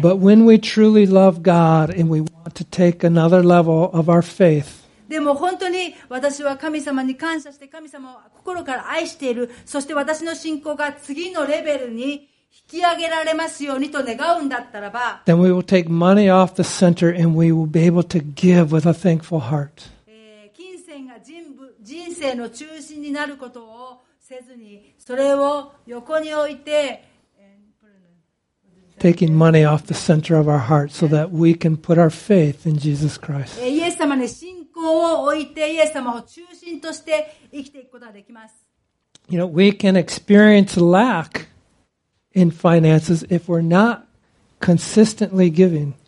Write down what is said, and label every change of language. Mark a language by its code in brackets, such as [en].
[en] But when we truly love God and we want to take another level of our faith, [ja] でも本当に私は神様に感謝して神様を心から愛している。そして私の信仰が次のレベルに引き上げられますようにと願うんだったらば、 [en] Then we will take money off the center and we will be able to give with a thankful heart. [ja] 金銭が人生の中心になることをせずに、それを横に置いて、 [en] taking money off the center of our heart so that we can put our faith in Jesus Christ. [ja] イエス様に信仰を置いてイエス様を中心として生きていくことができます。 [en] You know, we can experience lack. In finances, if we're not consistently giving.